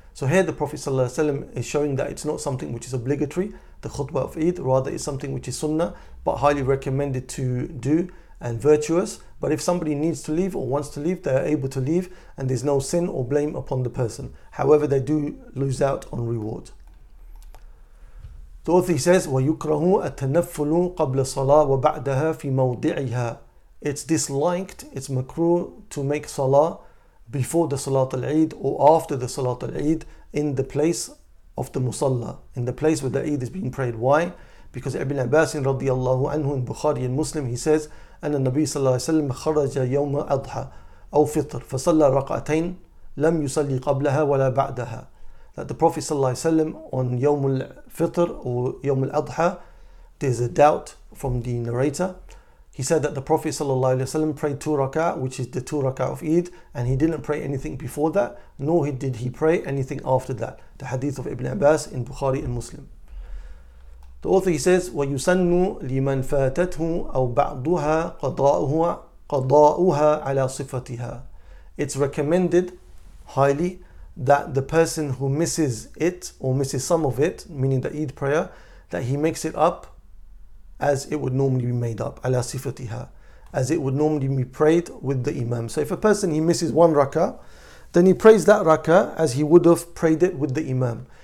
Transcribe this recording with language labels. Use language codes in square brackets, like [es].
[en] So here the Prophet sallallahu alaihi wasallam is showing that it's not something which is obligatory, the khutbah of Eid, rather it's something which is sunnah, but highly recommended to do and virtuous. But if somebody needs to leave or wants to leave, they are able to leave and there's no sin or blame upon the person. However, they do lose out on reward. The author, he says, [ar] وَيُكْرَهُ التَّنَفُّلُ قَبْلَ صَلَاةٍ وَبَعْدَهَا فِي مَوْضِعِهَا. [en] It's disliked, it's makruh to make salah before the Salat al-Eid or after the Salat al-Eid in the place of the musalla, in the place where the Eid is being prayed. Why? Because Ibn Abbas radiallahu anhu in Bukhari and Muslim, he says, [ar] أن النبي صلى الله عليه وسلم خرج يوم أضحى أو فطر فصلى ركعتين لم يصلي قبلها ولا بعدها. [en] That the Prophet صلى الله عليه وسلم on [ar] يوم الفطر أو يوم الأضحى, [en] there's a doubt from the narrator. He said that the Prophet sallallahu alaihi wasallam prayed two rak'ah, which is the two rak'ah of Eid, and he didn't pray anything before that, nor did he pray anything after that. The hadith of Ibn Abbas in Bukhari and Muslim. The author, he says, [ar] وَيُسَنُّ لِمَنْ فَاتَتْهُ أَوْ بَعْضُهَا قَضَاؤُهَا عَلَى صِفَتِهَا. [en] It's recommended highly that the person who misses it, or misses some of it, meaning the Eid prayer, that he makes it up as it would normally be made up, ala sifatiha, as it would normally be prayed with the imam. So if a person, he misses one rak'ah, then he prays that rak'ah as he would have prayed it with the imam.